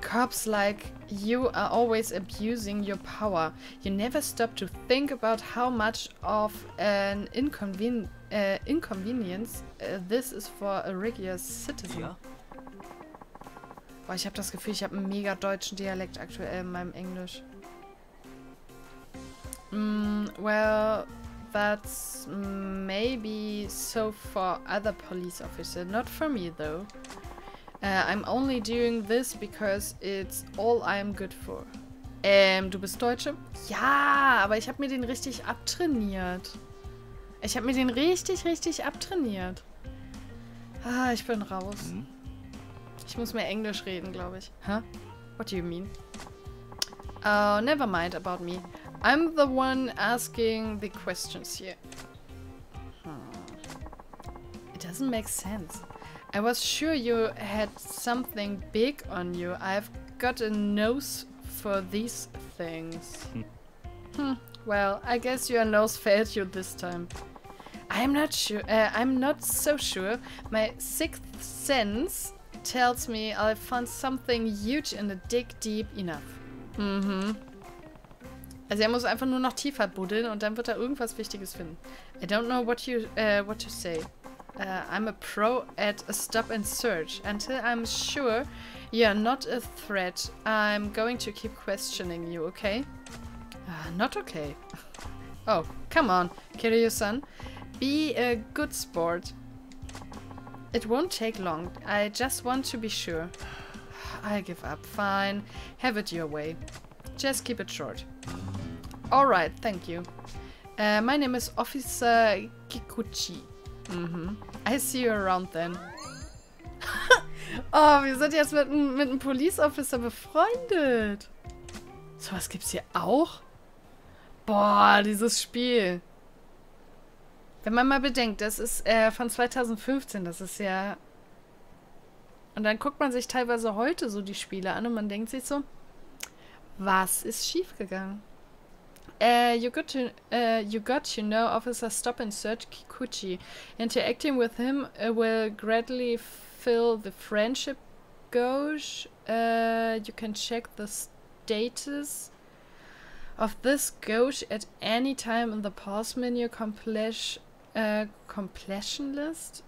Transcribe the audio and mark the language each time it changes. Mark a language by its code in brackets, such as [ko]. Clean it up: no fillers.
[en] Cops like you are always abusing your power. You never stop to think about how much of an inconvenience this is for a regular citizen. [de] Ja. Boah, ich habe das Gefühl, ich habe einen mega deutschen Dialekt aktuell in meinem Englisch. [en] Well, that's maybe so for other police officers, not for me though. I'm only doing this because it's all I'm good for. [de] Du bist Deutsche? Ja, aber ich habe mir den richtig abtrainiert. Ich habe mir den richtig, richtig abtrainiert. Ah, ich bin raus. Mhm. Ich muss mehr Englisch reden, glaube ich. [en] Huh? What do you mean? Oh, never mind about me. I'm the one asking the questions here. It doesn't make sense. I was sure you had something big on you. I've got a nose for these things. Well, I guess your nose failed you this time. I'm not so sure. My sixth sense tells me I found something huge in the dig deep enough. Mhm. [de] Also er muss einfach nur noch tiefer buddeln und dann wird er irgendwas Wichtiges finden. [en] I don't know what to say. I'm a pro at a stop and search. Until I'm sure you're not a threat, I'm going to keep questioning you, okay? Not okay. Oh, come on, Kiryu-san. Be a good sport. It won't take long. I just want to be sure. I give up. Fine. Have it your way. Just keep it short. Alright, thank you. My name is Officer Kikuchi. Mhm. I see you around then. [de] Oh, wir sind jetzt mit einem Police Officer befreundet. Sowas gibt's hier auch? Boah, dieses Spiel. Wenn man mal bedenkt, das ist von 2015, das ist ja... Und dann guckt man sich teilweise heute so die Spiele an und man denkt sich so, was ist schiefgegangen? [en] You got to know Officer Stop and Search Kikuchi. Interacting with him will greatly fill the friendship gauge. You can check the status of this gauge at any time in the pause menu completion list.